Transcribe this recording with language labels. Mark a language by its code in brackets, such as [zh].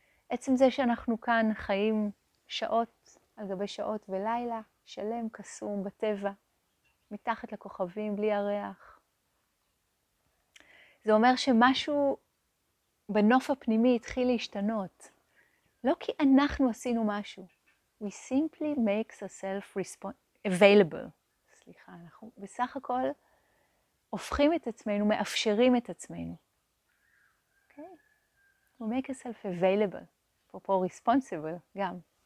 [he] עצם זה שאנחנו כאן חיים שעות על גבי שעות ולילה, שלם, קסום, בטבע, מתחת לכוכבים, בלי הריח. זה אומר שמשהו בנוף הפנימי התחיל להשתנות. לא כי אנחנו עשינו משהו. [en] We simply make ourselves available. [he] סליחה, אנחנו בסך הכל הופכים את עצמנו, מאפשרים את עצמנו. [en] We make ourselves available, [he] אפרופו [en] responsible [he] גם.